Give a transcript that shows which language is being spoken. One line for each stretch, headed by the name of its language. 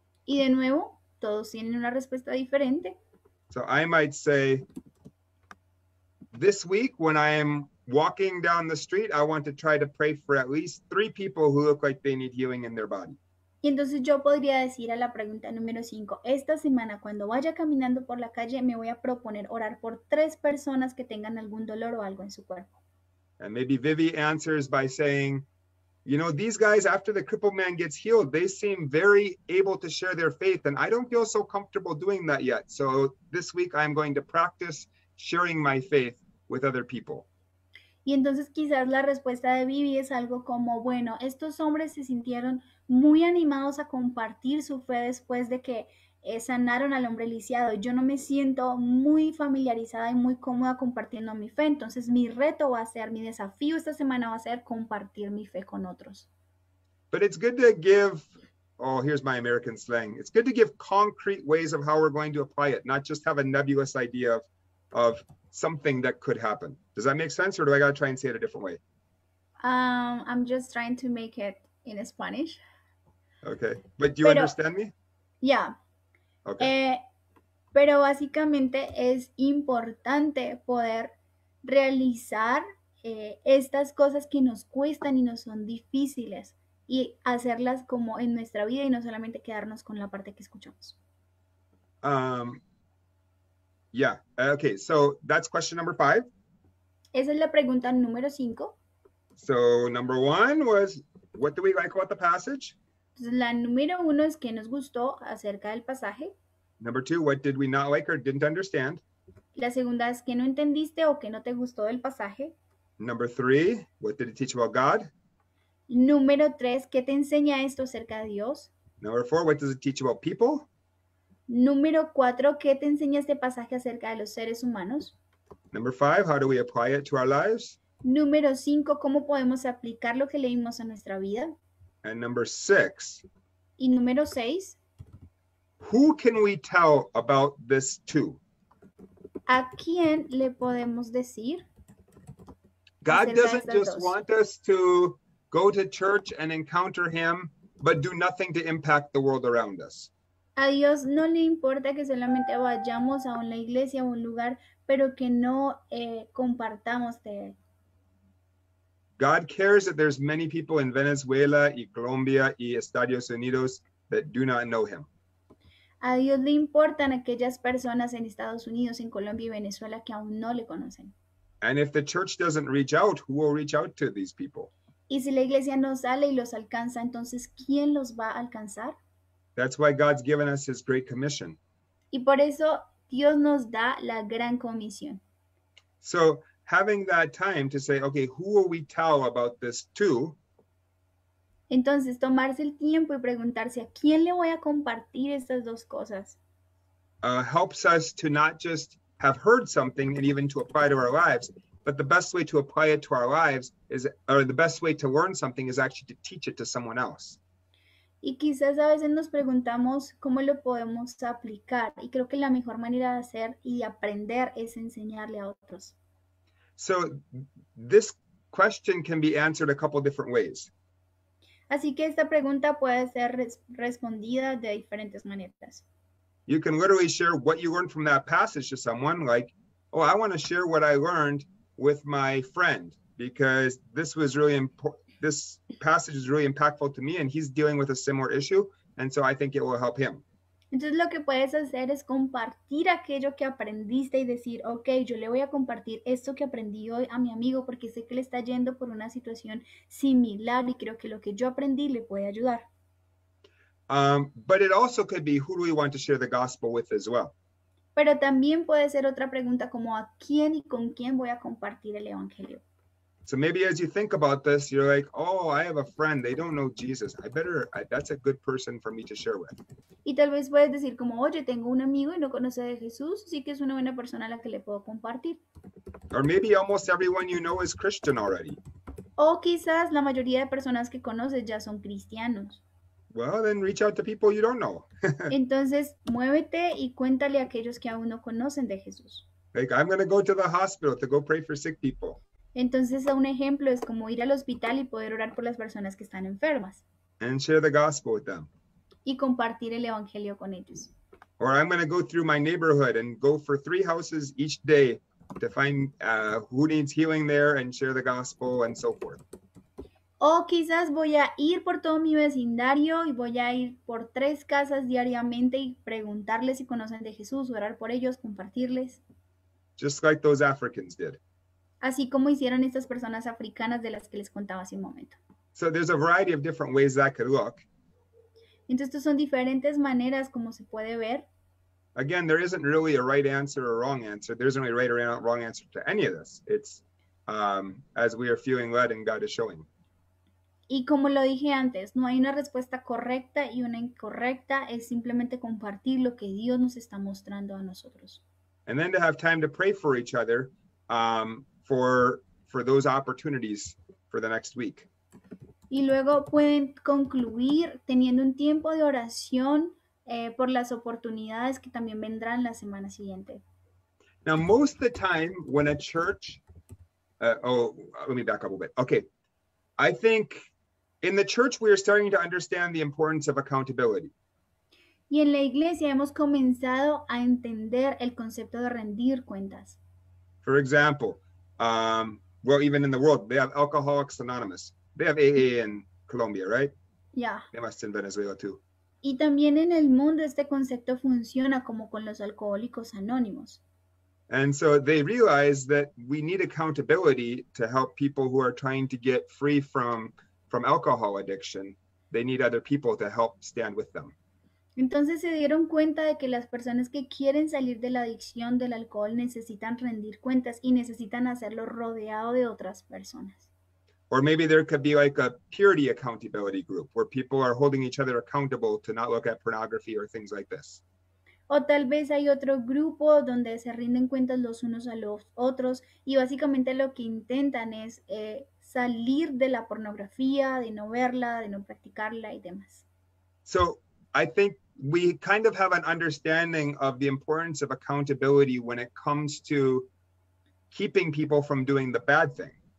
Spanish: Y de nuevo, todos tienen una respuesta diferente.
English: So, I might say, This week, when I am walking down the street, I want to try to pray for at least 3 people who look like they need healing in their body.
Spanish: Y entonces yo podría decir a la pregunta número 5, esta semana cuando vaya caminando por la calle, me voy a proponer orar por 3 personas que tengan algún dolor o algo en su cuerpo.
English: And maybe Vivi answers by saying, you know, these guys, after the crippled man gets healed, they seem very able to share their faith, and I don't feel so comfortable doing that yet. So this week I'm going to practice sharing my faith with other people.
Spanish: Y entonces quizás la respuesta de Vivi es algo como, bueno, estos hombres se sintieron muy animados a compartir su fe después de que sanaron al hombre lisiado. Yo no me siento muy familiarizada y muy cómoda compartiendo mi fe. Entonces mi reto va a ser, mi desafío esta semana va a ser compartir mi fe con otros.
English: But it's good to give, oh, here's my American slang. It's good to give concrete ways of how we're going to apply it, not just have a nebulous idea of something that could happen. Does that make sense, or do I gotta try and say it a different way? I'm just trying to make it in Spanish. Okay, but do you understand me? Yeah. Okay.
Spanish: Pero básicamente es importante poder realizar estas cosas que nos cuestan y nos son difíciles y hacerlas como en nuestra vida y no solamente quedarnos con la parte que escuchamos.
English: Yeah. Okay. So that's question number 5.
Spanish: Esa es la pregunta número 5.
English: So number 1 was, what do we like about the passage?
Spanish: Entonces, la número 1 es qué nos gustó acerca del pasaje.
English: Number 2, what did we not like or didn't understand?
Spanish: La segunda es qué no entendiste o qué no te gustó del pasaje.
English: Number 3, what did it teach about God?
Spanish: Número 3, ¿qué te enseña esto acerca de Dios?
English: Number 4, what does it teach about people?
Spanish: Número 4, ¿qué te enseña este pasaje acerca de los seres humanos?
English: Number 5, how do we apply it to our lives?
Spanish: Número 5, ¿cómo podemos aplicar lo que leímos a nuestra vida?
English: And number 6.
Spanish: Y número 6.
English: Who can we tell about this to?
Spanish: ¿A quién le podemos decir?
English: God doesn't just want us to go to church and encounter him, but do nothing to impact the world around us.
Spanish: A Dios no le importa que solamente vayamos a una iglesia o un lugar, pero que no compartamos de él.
English: God cares that there's many people in Venezuela y Colombia y Estados Unidos that do not know him.
Spanish: A Dios le importan aquellas personas en Estados Unidos, en Colombia y Venezuela que aún no le conocen.
English: And if the church doesn't reach out, who will reach out to these people?
Spanish: Y si la iglesia no sale y los alcanza, entonces ¿quién los va a alcanzar?
English: That's why God's given us his great commission.
Spanish: Y por eso Dios nos da la gran comisión.
English: So, having that time to say, okay, who will we tell about this to?
Spanish: Entonces, tomarse el tiempo y preguntarse, ¿a quién le voy a compartir estas dos cosas?
English: Helps us to not just have heard something and even to apply to our lives, but the best way to apply it to our lives is, or the best way to learn something is actually to teach it to someone else.
Spanish: Y quizás a veces nos preguntamos cómo lo podemos aplicar. Y creo que la mejor manera de hacer y de aprender es enseñarle a otros.
English: So this question can be answered a couple different ways.
Spanish: Así que esta pregunta puede ser respondida de diferentes maneras.
English: You can literally share what you learned from that passage to someone, like, oh, I want to share what I learned with my friend because this was really important. This passage is really impactful to me and he's dealing with a similar issue and so I think it will help him.
Spanish: Entonces lo que puedes hacer es compartir aquello que aprendiste y decir, okay, yo le voy a compartir esto que aprendí hoy a mi amigo porque sé que le está yendo por una situación similar y creo que lo que yo aprendí le puede ayudar.
English: But it also could be, who do we want to share the gospel with as well?
Spanish: Pero también puede ser otra pregunta como, ¿a quién y con quién voy a compartir el evangelio?
English: So maybe as you think about this, you're like, oh, I have a friend. They don't know Jesus. That's a good person for me to share with.
Spanish: Y tal vez puedes decir como, oye, tengo un amigo y no conoce de Jesús, así que es una buena persona a la que le puedo compartir.
English: Or maybe almost everyone you know is Christian already.
Spanish: O quizás la mayoría de personas que conoces ya son cristianos.
English: Well, then reach out to people you don't know.
Spanish: Entonces, muévete y cuéntale a aquellos que aún no conocen de Jesús.
English: Like, I'm going to go to the hospital to go pray for sick people.
Spanish: Entonces, un ejemplo es como ir al hospital y poder orar por las personas que están enfermas.
English: And share the gospel with them.
Spanish: Y compartir el evangelio con ellos.
English: Or I'm going to go through my neighborhood and go for 3 houses each day to find who needs healing there and share the gospel and so forth.
Spanish: O quizás voy a ir por todo mi vecindario y voy a ir por 3 casas diariamente y preguntarles si conocen de Jesús, orar por ellos, compartirles.
English: Just like those Africans did.
Spanish: Así como hicieron estas personas africanas de las que les contaba hace un momento.
English: So there's a variety of different ways that could look.
Spanish: Entonces, estos son diferentes maneras como se puede ver.
English: Again, there isn't really a right answer or wrong answer. There isn't really a right or wrong answer to any of this. It's as we are feeling led and God is showing.
Spanish: Y como lo dije antes, no hay una respuesta correcta y una incorrecta. Es simplemente compartir lo que Dios nos está mostrando a nosotros.
English: And then to have time to pray for each other for those opportunities for the next week.
Spanish: Y luego pueden concluir teniendo un tiempo de oración por las oportunidades que también vendrán la semana siguiente.
English: Now, most of the time when a church... let me back up a bit. Okay. I think in the church we are starting to understand the importance of accountability.
Spanish: Y en la iglesia hemos comenzado a entender el concepto de rendir cuentas.
English: For example, even in the world, they have Alcoholics Anonymous. They have AA in Colombia, right? Yeah. They must in Venezuela too.
Spanish: Y también en el mundo este concepto funciona como con los alcohólicos anónimos.
English: And so they realize that we need accountability to help people who are trying to get free from alcohol addiction. They need other people to help stand with them.
Spanish: Entonces se dieron cuenta de que las personas que quieren salir de la adicción del alcohol necesitan rendir cuentas y necesitan hacerlo rodeado de otras personas.
English: Or maybe there could be like a purity accountability group where people are holding each other accountable to not look at pornography or things like this.
Spanish: O tal vez hay otro grupo donde se rinden cuentas los unos a los otros y básicamente lo que intentan es salir de la pornografía, de no verla, de no practicarla y demás.
English: So I think we kind of have an understanding of the importance of accountability when it comes to keeping people from doing the bad thing.